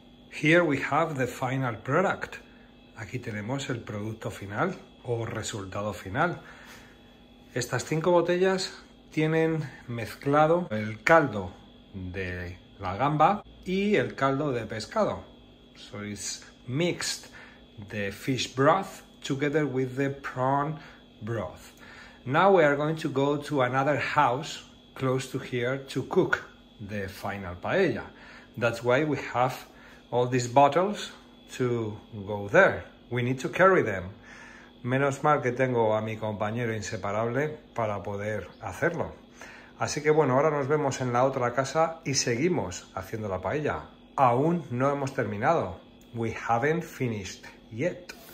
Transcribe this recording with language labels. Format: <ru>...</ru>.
<en>Here we have the final product.</en> <es>Aquí tenemos el producto final o resultado final. Estas 5 botellas tienen mezclado el caldo de la gamba y el caldo de pescado.</es> <en>So it's mixed the fish broth together with the prawn broth. Now we are going to go to another house close to here to cook the final paella. That's why we have all these bottles to go there. We need to carry them.</en> <es>Menos mal que tengo a mi compañero inseparable para poder hacerlo. Así que bueno, ahora nos vemos en la otra casa y seguimos haciendo la paella. Aún no hemos terminado.</es> <en>We haven't finished yet.</en>